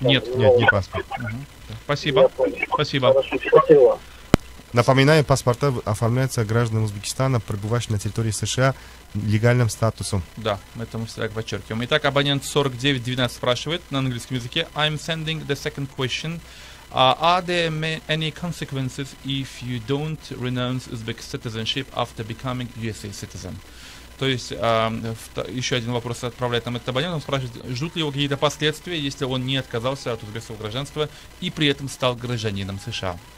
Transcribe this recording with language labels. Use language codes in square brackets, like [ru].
[ru] Нет, не паспорт. Спасибо. Спасибо. Спасибо. Напоминаю, паспорта оформляются гражданам Узбекистана, пребывающим на территории США, легальным статусом. Да, это мы всегда подчеркиваем. Итак, абонент 4912 спрашивает на английском языке. [en] I'm sending the second question. Are there any consequences if you don't renounce Uzbek citizenship after becoming USA citizen? [ru] То есть, еще один вопрос отправляет нам этот абонент. Он спрашивает, ждут ли его какие-то последствия, если он не отказался от узбекского гражданства и при этом стал гражданином США?